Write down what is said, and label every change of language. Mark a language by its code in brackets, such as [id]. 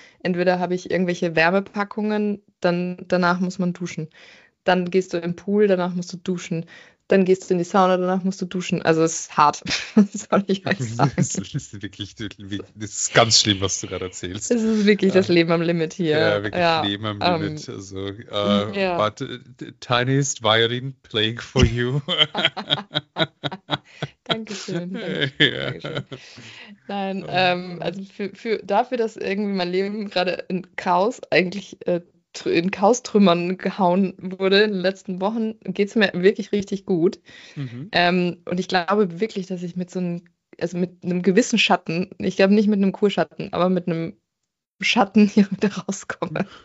[de] Entweder habe ich irgendwelche Wärmepackungen, dann danach muss man duschen. Dann gehst du in den Pool, danach musst du duschen. Dann gehst du in die Sauna, danach musst du duschen. Also es ist hart, soll ich euch sagen. Das ist wirklich, das ist ganz schlimm, was du gerade erzählst. Es ist wirklich das Leben am Limit hier. Ja, wirklich Leben am Limit. [en] Also, but the tiniest violin playing for you. [de] Dankeschön, Dankeschön. Nein, also für dafür, dass irgendwie mein Leben gerade in Chaos eigentlich in Chaostrümmern gehauen wurde in den letzten Wochen, geht es mir wirklich richtig gut. Und ich glaube wirklich, dass ich mit so einem, also mit einem gewissen Schatten, ich glaube nicht mit einem Kurschatten, aber mit einem Schatten hier wieder rauskomme.